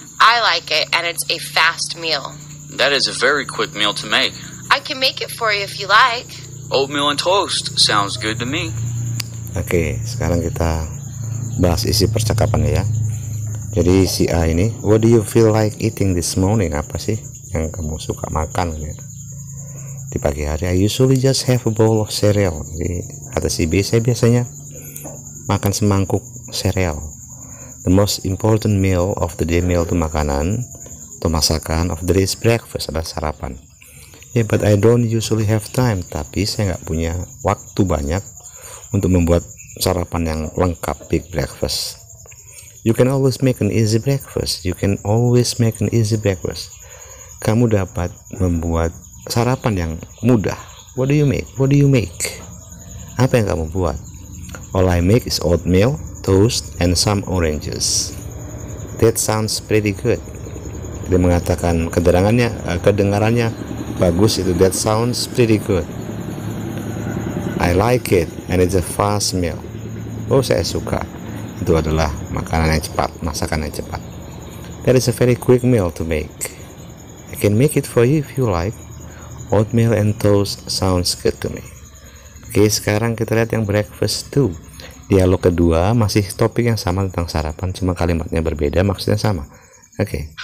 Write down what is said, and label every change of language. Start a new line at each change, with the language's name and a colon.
English: I like it, and it's a fast meal. That is a very quick meal to make. I can make it for you if you like. Oatmeal and toast sounds good to me.
Indonesian: Oke, sekarang kita bahas isi percakapan ya. Jadi si A ini,
English: what do you feel like eating this morning?
Indonesian: Apa sih yang kamu suka makan ya? Di pagi hari,
English: I usually just have a bowl of cereal.
Indonesian: Jadi kata si B, saya biasanya makan semangkuk cereal.
English: The most important meal of the day, meal
Indonesian: itu makanan atau masakan,
English: of the day is breakfast,
Indonesian: adalah sarapan.
English: Yeah, but I don't usually have time.
Indonesian: Tapi saya nggak punya waktu banyak untuk membuat sarapan yang lengkap,
English: big breakfast. You can always make an easy breakfast. You can always make an easy breakfast.
Indonesian: Kamu dapat membuat sarapan yang mudah.
English: What do you make? What do you make?
Indonesian: Apa yang kamu buat?
English: All I make is oatmeal, toast, and some oranges. That sounds pretty good.
Indonesian: Dia mengatakan kedengarannya bagus itu.
English: That sounds pretty good. I like it, and it's a fast meal.
Indonesian: Oh, saya suka. Itu adalah makanan yang cepat, masakan yang cepat.
English: That is a very quick meal to make. I can make it for you if you like. Oatmeal and toast sounds good to me.
Indonesian: Oke, sekarang kita lihat yang
English: breakfast too.
Indonesian: Dialog kedua masih topik yang sama tentang sarapan, cuma kalimatnya berbeda, maksudnya sama. Okay.